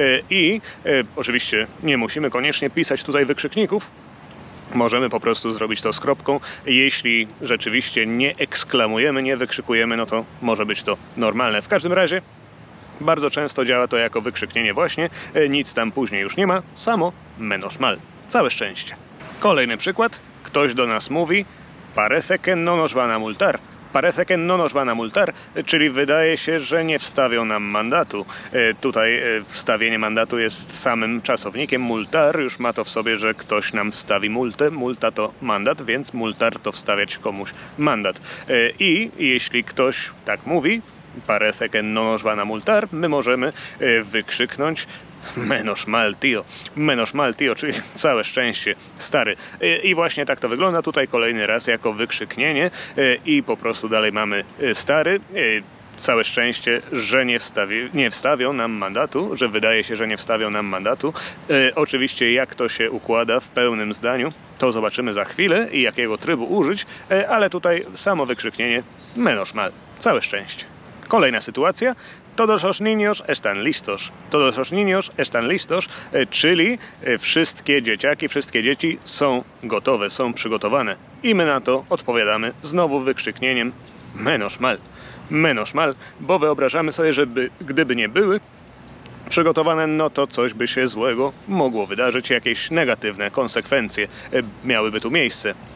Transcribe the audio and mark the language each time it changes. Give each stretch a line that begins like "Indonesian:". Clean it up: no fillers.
Polish: I oczywiście nie musimy koniecznie pisać tutaj wykrzykników, możemy po prostu zrobić to z kropką. Jeśli rzeczywiście nie eksklamujemy, nie wykrzykujemy, no to może być to normalne. W każdym razie bardzo często działa to jako wykrzyknienie właśnie. Nic tam później już nie ma. Samo menos mal. Całe szczęście. Kolejny przykład. Ktoś do nas mówi
Spanish: parece que no nos van a multar.
Polish: Parece que no nos van a multar, czyli wydaje się, że nie wstawią nam mandatu. Tutaj wstawienie mandatu jest samym czasownikiem. Multar już ma to w sobie, że ktoś nam wstawi multę. Multa to mandat, więc multar to wstawiać komuś mandat. I jeśli ktoś tak mówi,
Spanish: parece que no nos van a multar,
Polish: my możemy wykrzyknąć
Spanish: menos mal, tio. Menos mal, tio,
Polish: czyli całe szczęście, stary. I właśnie tak to wygląda tutaj kolejny raz jako wykrzyknienie i po prostu dalej mamy stary. Całe szczęście, że nie wstawią nam mandatu, że wydaje się, że nie wstawią nam mandatu. Oczywiście jak to się układa w pełnym zdaniu, to zobaczymy za chwilę i jakiego trybu użyć, ale tutaj samo wykrzyknienie menos mal, całe szczęście. Kolejna sytuacja.
Spanish: Todos los niños están listos. Todos los niños están listos.
Polish: Czyli wszystkie dzieciaki, wszystkie dzieci są gotowe, są przygotowane. I my na to odpowiadamy znowu wykrzyknieniem menos mal. Menos mal, bo wyobrażamy sobie, że gdyby nie były przygotowane, no to coś by się złego mogło wydarzyć, jakieś negatywne konsekwencje miałyby tu miejsce.